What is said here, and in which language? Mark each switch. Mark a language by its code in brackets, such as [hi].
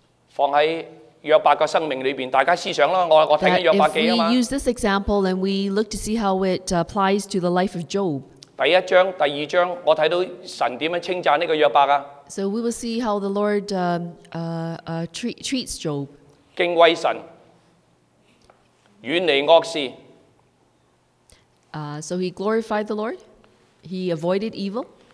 [yue] 放在约伯的生命里面，大家思想咯。我睇紧约伯记啊嘛。 [en] If we use this example and we look to see how it applies to the life of Job. [yue] 第一章、第二章，我睇到神点样称赞呢个约伯啊。 [en] So we will see how the Lord treats Job. [yue] 敬畏神。远离恶事。 [en] So he glorified the Lord. He avoided evil.